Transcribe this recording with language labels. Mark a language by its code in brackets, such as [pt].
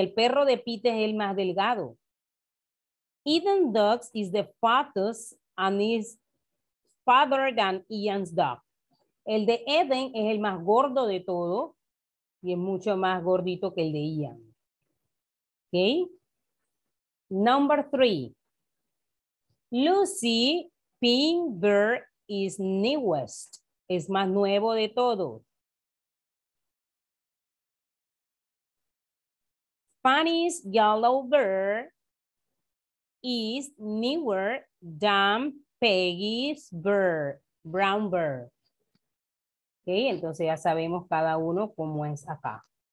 [es] El perro de Peter es el más delgado. [en] Ethan's dog is the fattest and is farther than Ian's dog. [es] El de Eden es el más gordo de todo y es mucho más gordito que el de Ian. [en] Okay. Number three. Lucy Pink Bear is newest. [es] Es más nuevo de todo. [en] Fanny's Yellow Bear is newer than Peggy's Bear, Brown Bear. [es] Okay, entonces ya sabemos cada uno cómo es acá.